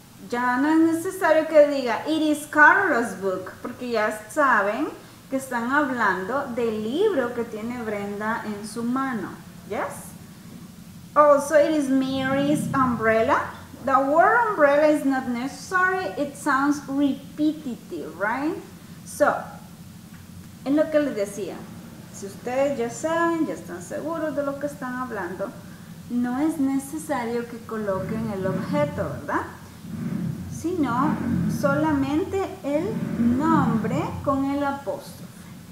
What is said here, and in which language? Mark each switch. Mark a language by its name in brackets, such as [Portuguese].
[Spanish] Ya no es necesario que diga, [English] it is Carlos' book, [Spanish] porque ya saben que están hablando del libro que tiene Brenda en su mano. [English] Yes? Also, it is Mary's umbrella. The word umbrella is not necessary, it sounds repetitive, right? [Spanish] So, en lo que les decía, si ustedes ya saben, ya están seguros de lo que están hablando, no es necesario que coloquen el objeto, ¿verdad? Sino solamente el nombre con el apóstrofe.